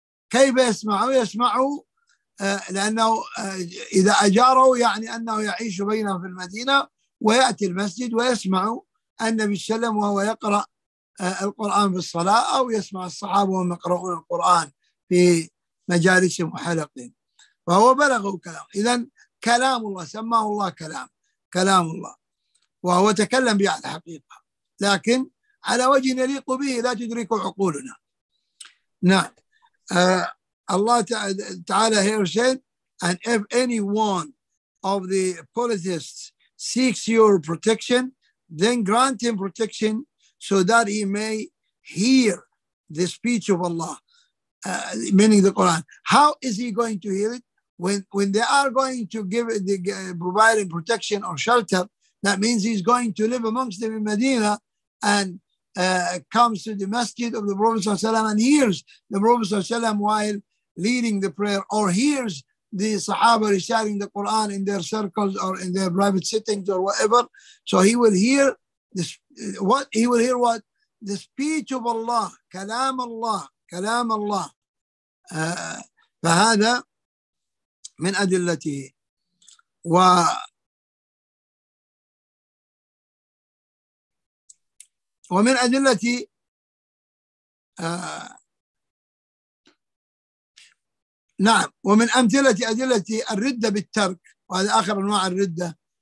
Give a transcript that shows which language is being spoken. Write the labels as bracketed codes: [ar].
[ar] كيف يسمعه؟ يسمعه لأنه إذا أجاره يعني أنه يعيش بينه في المدينة ويأتي المسجد ويسمع النبي صلى الله عليه وسلم وهو يقرأ القرآن في الصلاة أو يسمع الصحابة وهم يقرؤون القرآن في مجالس وحلقين, فهو بلغه كلام. إذن كلام الله, سماه الله كلام, كلام الله, وهو تكلم به على حقيقة لكن على وجه يليق به لا تدركه عقولنا. [en] Allah Ta'ala here said, and if any one of the polytheists seeks your protection, then grant him protection so that he may hear the speech of Allah, meaning the Quran. How is he going to hear it? When they are going to give the providing protection or shelter, that means he's going to live amongst them in Medina and comes to the masjid of the Prophet Sallallahu Alaihi Wasallam and hears the Prophet Sallallahu Alaihi Wasallam while leading the prayer, or hears the Sahaba reciting the Quran in their circles or in their private sittings or whatever. So he will hear this, what he will hear, what the speech of Allah, Kalam Allah, Kalam Allah. [ar] فهذا من أدلته. و ومن أدلته نعم, ومن أمثلة أدلة الردة بالترك, وهذا آخر أنواع الردة.